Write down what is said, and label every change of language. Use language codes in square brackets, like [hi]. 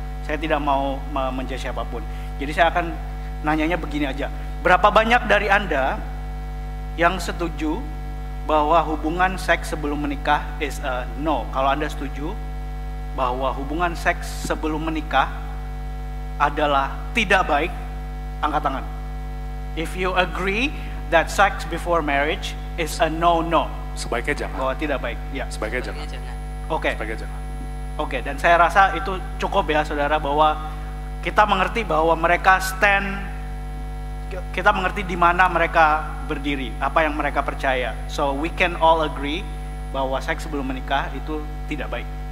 [id] Saya tidak mau menjudge siapapun. Jadi saya akan nanyanya begini aja. Berapa banyak dari Anda yang setuju bahwa hubungan seks sebelum menikah [en] is a no? [id] Kalau Anda setuju bahwa hubungan seks sebelum menikah adalah tidak baik, angkat tangan. [en] If you agree that sex before marriage is a no-no. [id] Sebaiknya jangan. Bahwa tidak baik. Ya. Sebaiknya jangan. Oke. Okay. Sebaiknya jangan. Oke, okay. Dan saya rasa itu cukup ya saudara, bahwa kita mengerti bahwa mereka stand, kita mengerti di mana mereka berdiri, apa yang mereka percaya. [en] So we can all agree [id] bahwa seks sebelum menikah itu tidak baik.